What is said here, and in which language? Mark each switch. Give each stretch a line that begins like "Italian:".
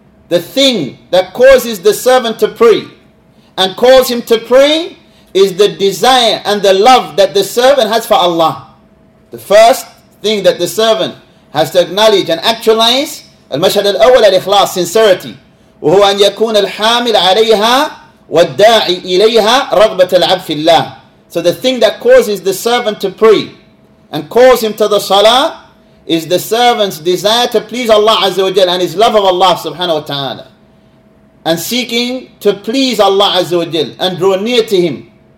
English: The thing that causes the servant to pray and calls him to pray is the desire and the love that the servant has for Allah. The first thing that the servant has to acknowledge and actualize, al-mashhad al-awwal al-ikhlas, sincerity.
Arabic: وهو أن يكون الحامل عليها والداعي إليها رغبة العبد في الله.
English: So the thing that causes the servant to pray and calls him to the salah is the servant's desire to please Allah Azza wa Jal and his love of Allah subhanahu wa ta'ala. And seeking to please Allah Azza wa Jal and draw near to him.